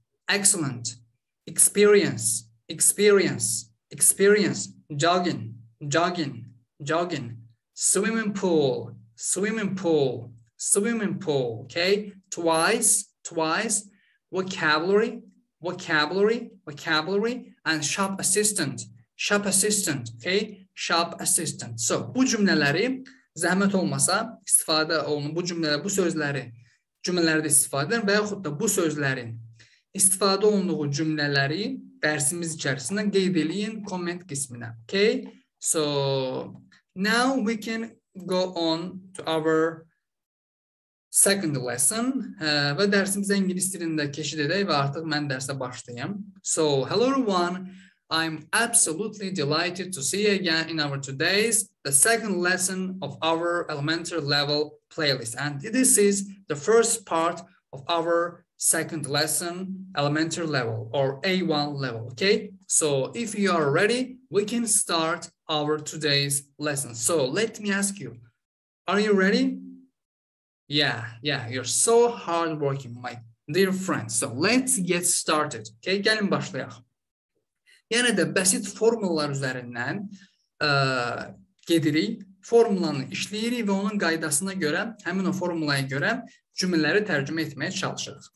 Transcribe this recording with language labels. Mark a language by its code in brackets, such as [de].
[en] excellent, experience, experience, experience, jogging, jogging, jogging, swimming pool, swimming pool, swimming pool, okay, twice, twice, vocabulary, vocabulary, vocabulary, and shop assistant, shop assistant, okay, shop assistant. [az] So, bu cümlələri zəhmət olmasa istifadə olunur, bu cümlələr, bu sözləri cümlələrdə istifadə edir və yaxud da bu sözlərin istifadə olunduğu cümlələri dərsimiz içərisində qeyd edin comment qisminə, okay? [en] So, now we can go on to our second lesson, [az] və dərsimizə ingilis dilində keçid edək və artıq mən dərsə başlayayım. [en] So, hello everyone, I'm absolutely delighted to see you again in our today's, the second lesson of our elementary level playlist. And this is the first part of our second lesson, elementary level, or A1 level, okay? So, if you are ready, we can start our today's lesson. So, let me ask you, are you ready? Yeah, yeah, you're so hardworking, my dear friend. So let's get started. Okay, [az] gəlin başlayaq. Yenə də bəsit formullar üzərindən gedirik, formulanı işləyirik və onun qaydasına görə, həmin o formulaya görə cümləri tərcümə etməyə çalışırıq.